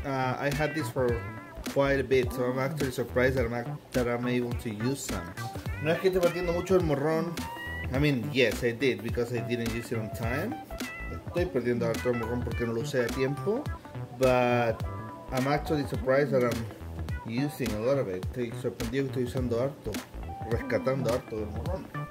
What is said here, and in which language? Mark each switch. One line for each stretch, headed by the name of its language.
English: I had this for quite a bit, so I'm actually surprised that I'm able to use some.
Spanish: No es que esté partiendo mucho el morrón.
English: I mean, yes, I did, because I didn't use it on time.
Spanish: Estoy perdiendo harto el morrón porque no lo usé a tiempo.
English: But I'm actually surprised that I'm using a lot of it.
Spanish: Estoy sorprendido que estoy usando harto, rescatando harto del morrón.